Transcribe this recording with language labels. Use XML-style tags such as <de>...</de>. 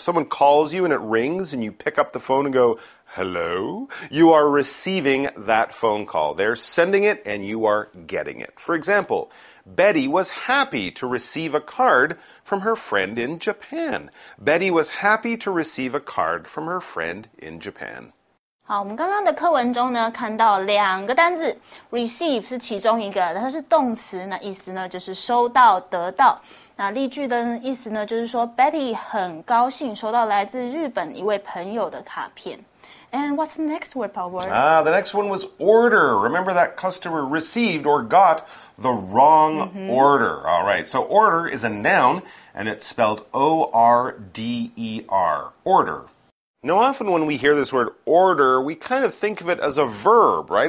<en>If someone calls you and it rings and you pick up the phone and go, hello, you are receiving that phone call. They're sending it and you are getting it. For example, Betty was happy to receive a card from her friend in Japan. Betty was happy to receive a card from her friend in Japan.</en> <zh>好，我们刚刚的课文中呢，看到两个单字， receive 是其中一个，它是动词，那意思呢就是收到、得到。那例句的意思呢，就是说 Betty 很高兴收到来自日本一位朋友的卡片。</zh> <en>And what's the next word, Paul? The next one was order. Remember that customer received or got the wrong order. All right, so order is a noun, and it's spelled O-R-D-E-R, order. Now, often when we hear this word order, we kind of think of it as a verb, right?</en>